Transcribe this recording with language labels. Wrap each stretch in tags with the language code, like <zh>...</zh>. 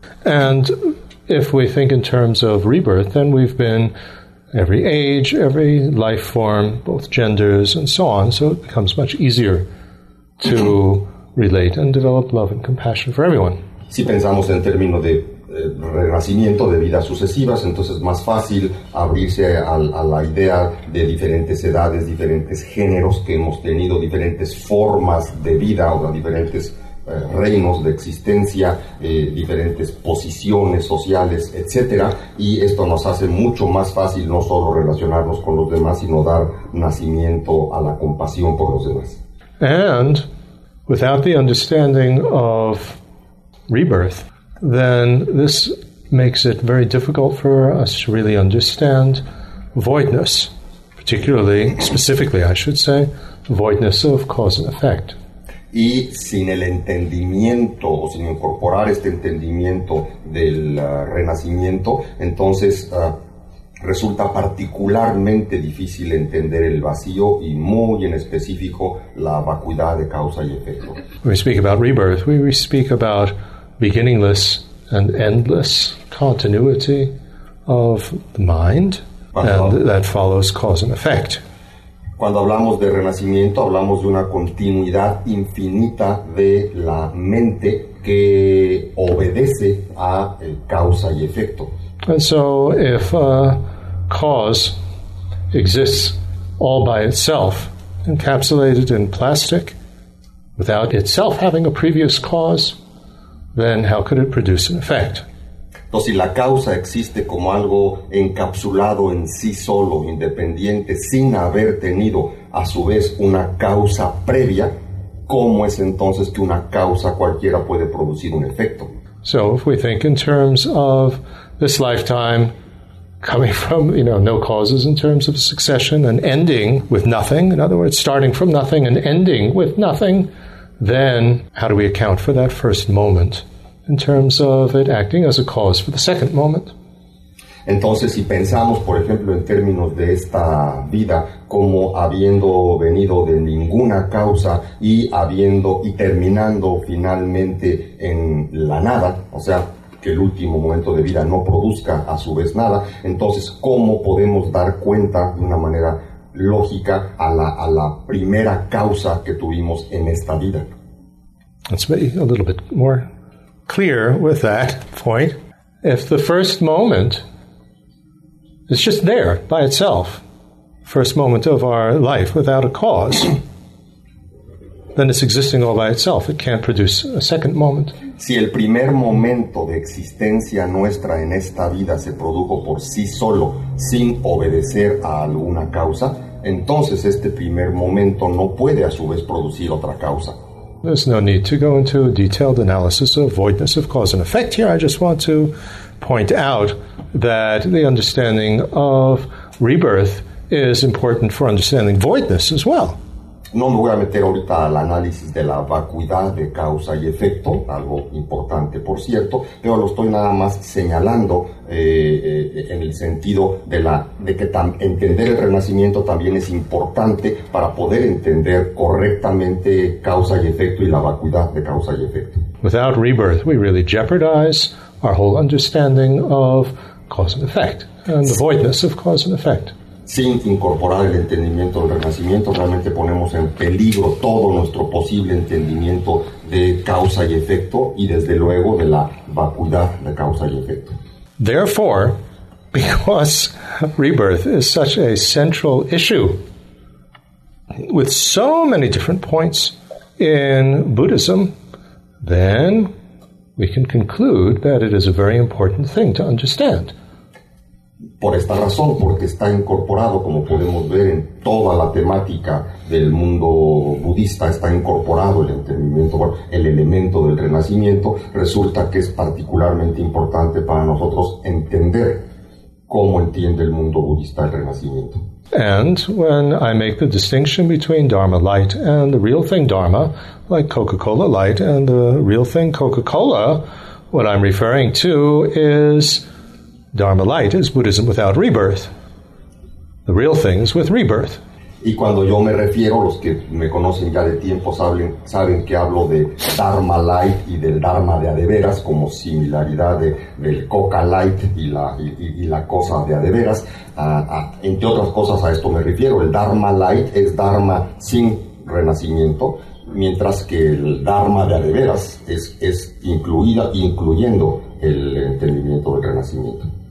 <en>And if we think in terms of rebirth, then we've been every age, every life form, both genders and so on, so it becomes much easier to relate and develop love and compassion for everyone.</en> <es>Si pensamos en términos de renacimiento, de vidas sucesivas, entonces es más fácil abrirse a la idea de diferentes edades, diferentes géneros que hemos tenido, diferentes formas de vida o de diferentes reinos de existencia, diferentes posiciones sociales, etcétera, y esto nos hace mucho más fácil no solo relacionarnos con los demás, sino dar nacimiento a la compasión por los demás.</es> <en>And without the understanding of rebirth, then this makes it very difficult for us to really understand voidness, particularly, specifically, I should say, voidness of cause and effect.</en> <es>Y sin el entendimiento, o sin incorporar este entendimiento del renacimiento, entonces resulta particularmente difícil entender el vacío y muy en específico la vacuidad de causa y efecto.</es> <en>When we speak about rebirth, we speak about beginningless and endless continuity of the mind, and that follows cause and effect.</en> <es>Cuando hablamos de renacimiento, hablamos de una continuidad infinita de la mente que obedece a causa y efecto.</es> <en>And so, if a cause exists all by itself, encapsulated in plastic, without itself having a previous cause, then how could it produce an effect?</en> <es>Entonces, si la causa existe como algo encapsulado en sí solo, independiente, sin haber tenido a su vez una causa previa, ¿cómo es entonces que una causa cualquiera puede producir un efecto?</es> <en>So, if we think in terms of this lifetime coming from, you know, no causes in terms of succession and ending with nothing, in other words, starting from nothing and ending with nothing, then how do we account for that first moment? In terms of it acting as a cause for the second moment.</en> <es>Entonces, si pensamos, por ejemplo, en términos de esta vida, como habiendo venido de ninguna causa y terminando finalmente en la nada, o sea, que el último momento de vida no produzca a su vez nada, entonces, ¿cómo podemos dar cuenta de una manera lógica a la primera causa que tuvimos en esta vida?</es> <en>Let's be a little bit more clear with that point. If the first moment is just there by itself, first moment of our life without a cause, then it's existing all by itself. It can't produce a second moment.</en> <es>Si el primer momento de existencia nuestra en esta vida se produjo por sí solo, sin obedecer a alguna causa, entonces este primer momento no puede a su vez producir otra causa.</es> <en>There's no need to go into a detailed analysis of voidness of cause and effect here. I just want to point out that the understanding of rebirth is important for understanding voidness as well.</en> <es>No me voy a meter ahorita al análisis de la vacuidad de causa y efecto, algo importante por cierto, pero lo estoy nada más señalando en el sentido de la de que entender el renacimiento también es importante para poder entender correctamente causa y efecto y la vacuidad de causa y efecto.</es> <en>Without rebirth, we really jeopardize our whole understanding of cause and effect and the voidness of cause and effect.</en> <es>Sin incorporar el entendimiento del renacimiento, realmente ponemos en peligro todo nuestro posible entendimiento de causa y efecto y desde luego de la vacuidad de causa y efecto.</es> <en>Therefore, because rebirth is such a central issue with so many different points in Buddhism, then we can conclude that it is a very important thing to understand.</en> <es>Por esta razón, porque está incorporado, como podemos ver en toda la temática del mundo budista, está incorporado el entendimiento, el elemento del renacimiento, resulta que es particularmente importante para nosotros entender cómo entiende el mundo budista el renacimiento.</es> <en>And when I make the distinction between Dharma light and the real thing Dharma, like Coca-Cola light and the real thing Coca-Cola, what I'm referring to is Dharma light is Buddhism without rebirth. The real thing is with rebirth.</en> <es>Y cuando yo me refiero, los que me conocen ya de tiempo saben que hablo de Dharma light y del Dharma de adeveras como similaridad de, del Coca light y la cosa de adeveras. Entre otras cosas a esto me refiero. El Dharma light es Dharma sin renacimiento, mientras que el Dharma de adeveras es incluida, incluyendo el entendimiento del renacimiento.</es>